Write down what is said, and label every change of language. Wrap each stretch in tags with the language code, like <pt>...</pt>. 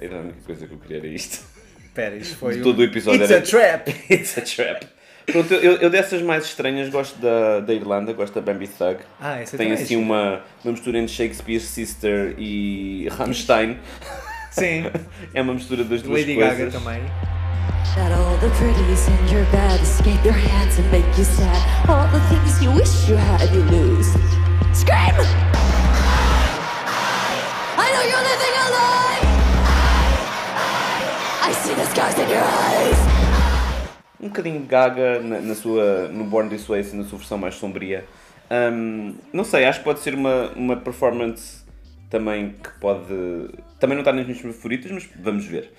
<pt>Era a única coisa que eu queria, era isto. Pera, isto foi todo o episódio.</pt> <en>It's a trap! It's a trap.</en> <pt>Pronto, eu dessas mais estranhas gosto da Irlanda, gosto da Bambi Thug. Ah, essa também. Tem assim uma mistura entre Shakespeare's Sister e Rammstein. Sim. É uma mistura das duas Lady coisas. Lady Gaga também.</pt> <en>Shut all the pretties in your bed, escape your hands and make you sad. All the things you wish you had, you lose. Scream! I know you're living a lie! I see the scars in your eyes!</en> <pt>Um bocadinho Gaga na sua, no Born This Way, assim, na sua versão mais sombria. Não sei, acho que pode ser uma performance também que pode... Também não está nas minhas favoritas, mas vamos ver.</pt>